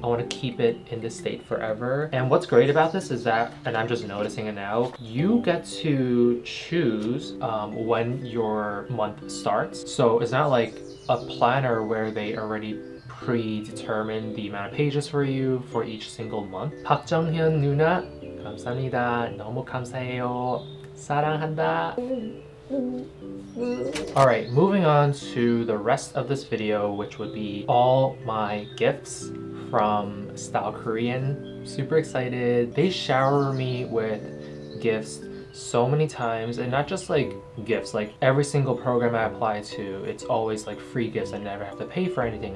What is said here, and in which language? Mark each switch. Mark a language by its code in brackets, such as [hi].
[en] I want to keep it in this state forever. And what's great about this is that, and I'm just noticing it now, you get to choose when your month starts. So it's not like a planner where they already predetermine the amount of pages for you for each single month. [ko] 박정현 누나, 감사합니다. 너무 감사해요. 사랑한다. [en] All right, moving on to the rest of this video, which would be all my gifts from StyleKorean. Super excited. They shower me with gifts so many times, and not just like gifts, like every single program I apply to, it's always like free gifts. I never have to pay for anything.